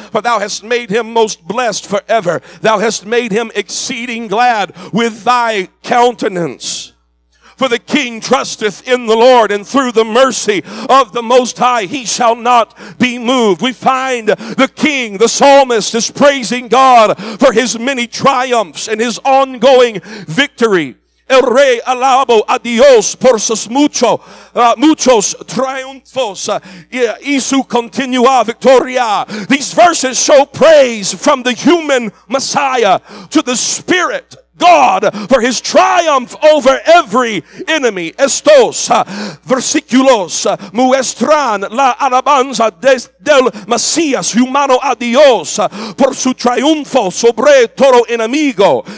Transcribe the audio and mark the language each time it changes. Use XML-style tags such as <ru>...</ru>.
<en>For thou hast made him most blessed forever. Thou hast made him exceeding glad with thy countenance. For the king trusteth in the Lord, and through the mercy of the Most High, he shall not be moved. We find the king, the psalmist, is praising God for his many triumphs and his ongoing victory.</en> <es>El rey alabo a Dios por sus muchos triunfos y su continua victoria.</es> <en>These verses show praise from the human Messiah to the Spirit God for his triumph over every enemy.</en> <es>Estos versículos muestran la alabanza del Mesías humano a Dios por su triunfo sobre todo enemigo.</es>